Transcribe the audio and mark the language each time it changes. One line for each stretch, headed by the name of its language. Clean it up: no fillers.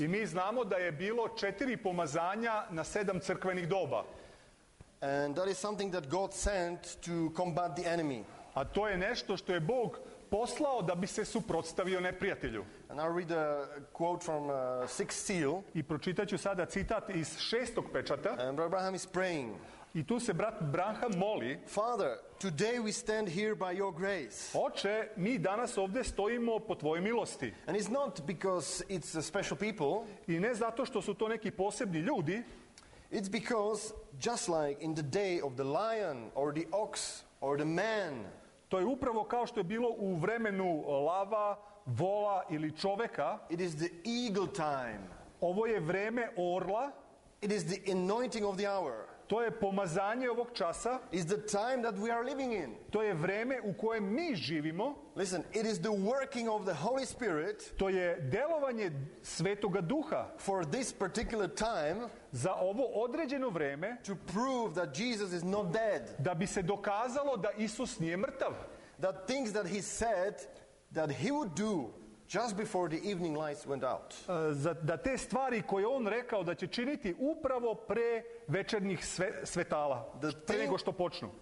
Serbian: I mi znamo da je bilo četiri pomazanja na sedam crkvenih doba.
English: And that is something that God sent to combat the enemy.
Serbian: A to je nešto što je Bog poslao da bi se suprotstavio neprijatelju.
English: And I'll read a quote from sixth seal.
Serbian: I pročitaću sada citat iz šestog pečata.
English: And Brother Branham is praying.
Serbian: I tu se brat Branham moli.
English: Father, today we stand here by your grace.
Serbian: Oče, mi danas ovdje stojimo po tvojoj milosti.
English: And it's not because it's a special people.
Serbian: I ne zato što su to neki posebni ljudi.
English: It's because just like in the day of the lion or the ox or the man.
Serbian: To je upravo kao što je bilo u vremenu lava, vola ili čovjeka.
English: It is the eagle time.
Serbian: Ovo je vrijeme orla.
English: It is the anointing of the hour.
Serbian: To je pomazanje ovog časa.
English: It's the time that we are living in.
Serbian: To je vrijeme u kojem mi živimo.
English: Listen, it is the working of the Holy Spirit.
Serbian: To je djelovanje Svetoga Duha.
English: For this particular time.
Serbian: Za ovo određeno vrijeme.
English: To prove that Jesus is not dead.
Serbian: Da bi se dokazalo da Isus nije mrtav.
English: That things that he said that he would do just before the evening lights went out.
Serbian: Da te stvari koje on rekao da će činiti upravo pre večernjih svetala, prije nego što počnu.